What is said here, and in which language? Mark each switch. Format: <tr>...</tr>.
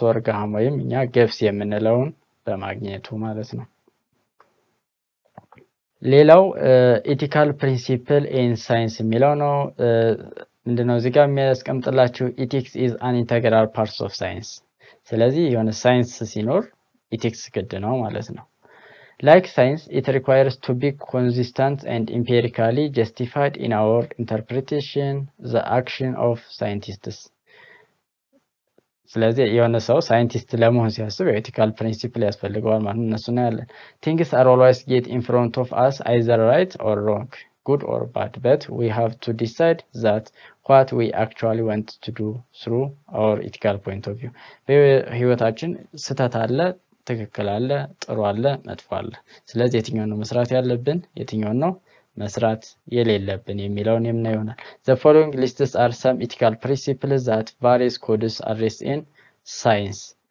<am>ሶርጋም ወይም እኛ ገብስ የምንለውን በማግኘቱ ማለት ነው። ሌላው</am> <en>ኤቲካል ፕሪንሲፕል ኢን ሳይንስ</en> <am>የሚለው ነው። እንደነው እዚህ ጋር የሚያስቀምጥላችሁ</am> <en>ኢቲክስ ኢዝ አን ኢንተግራል ፓርት ኦፍ ሳይንስ።</en> <am>ስለዚህ የሆነ ሳይንስ ሲኖር ኢቲክስ ግድ ነው ማለት ነው።</am> <en>Like science, it requires to be consistent and empirically justified in our interpretation the action of scientists.</en> <am>ስለዚህ የሆነ ሰው ሳይንቲስት ለመሆን ሲያስብ ኤቲካል ፕሪንሲፕል ያስፈልገዋል ማለት ነው። እነሱ ነው ያለን።</am> <en>Things are always get in front of us either right or wrong, good or bad, but we have to decide that what we actually want to do through our ethical point of view.</en> <am>በህይወታችን ስህተት አለ ትክክል አለ ጥሩ አለ መጥፎ አለ። ስለዚህ የትኛውን ነው መስራት ያለብን የትኛውን ነው መስራት የሌለብን የሚለውን የምናየው ይሆናል።</am> <en>The following lists are some ethical principles that various codes address in science.</en>